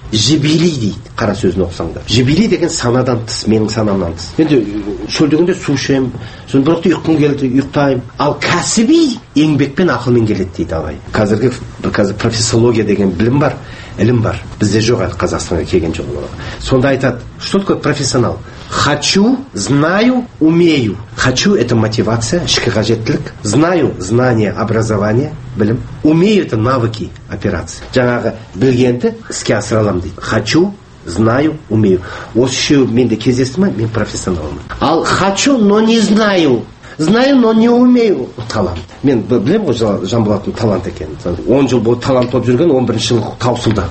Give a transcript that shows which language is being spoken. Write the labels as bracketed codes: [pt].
[kk] Жибили дейді, қара сөзін оқысаңдар. Жибили деген санадан тыс, менің санамнан тыс. Енді шөлдегінде су ішемін, сон бір уақытта ұйқым келді, ұйықтаймын. Ал кәсіби еңбекпен ақылмен келеді дейді Абай. Қазіргі профессология деген білім бар, ілім бар. Бізде жоқ әлі Қазақстанға келген жоқ ол. Сонда айтады, [ru] что такое профессионал? Хочу, знаю, умею. Хочу – это мотивация, [kk] ішкі қажеттілік. [ru] Знаю – знание, образование, [kk] білім. [ru] Умею – это навыки, операция. [kk] Жаңағы білгенді іске асыра аламын дейді. [ru] Хочу, знаю, умею. [kk] Осы үшеу менде кездесті ма, мен профессионалмын. [ru] Ал хочу, но не знаю. Знаю, но не умею. Талант. [kk] Мен білем ғой Жанболаттың талант екенін. 10 жыл болып талант болып жүрген, 11 жыл таусылды.